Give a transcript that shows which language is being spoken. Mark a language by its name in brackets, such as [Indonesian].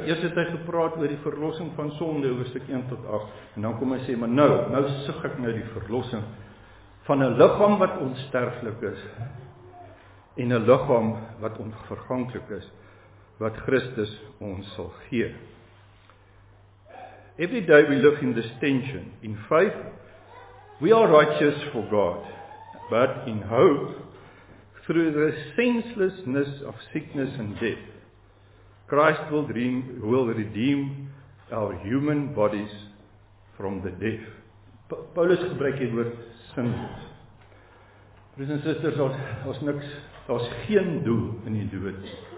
[Afrikaans] Eers het hy gepraat oor die verlossing van sonde, hoofstuk 1 tot 8, en dan kom hy sê, maar nou sug ek nou die verlossing van 'n liggaam wat onsterflik is en 'n liggaam wat onverganklik is, wat Christus ons sal gee. [English] Every day we live in this tension. In faith, we are righteous for God, but in hope, through the senselessness of sickness and death, Christ will redeem our human bodies from the death. [Afrikaans] Paulus gebruik die woord sinless. Broers en susters, daar's niks, daar's geen doel in die dood.